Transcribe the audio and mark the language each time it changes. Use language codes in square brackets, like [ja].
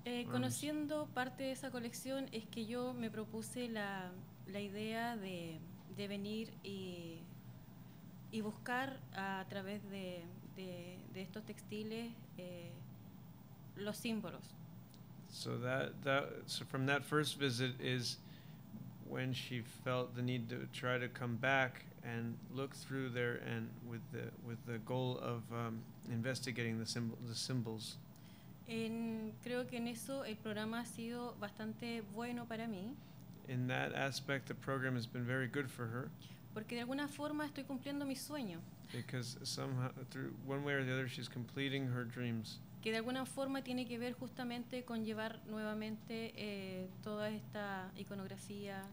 [es] Conociendo parte de esa colección es que yo me propuse la idea de venir y buscar a través de estos textiles los símbolos. [en] So so from that first visit is when she felt the need to try to come back and look through there and with the goal of investigating the symbols. [es] En, creo que en eso el programa ha sido bastante bueno para mí. [en] In that aspect, the program has been very good for her. [es] Porque de alguna forma estoy cumpliendo mi sueño. [en] Because somehow, through one way or the other, she's completing her dreams. [es] Que de alguna forma tiene que ver justamente con llevar nuevamente toda esta iconografía.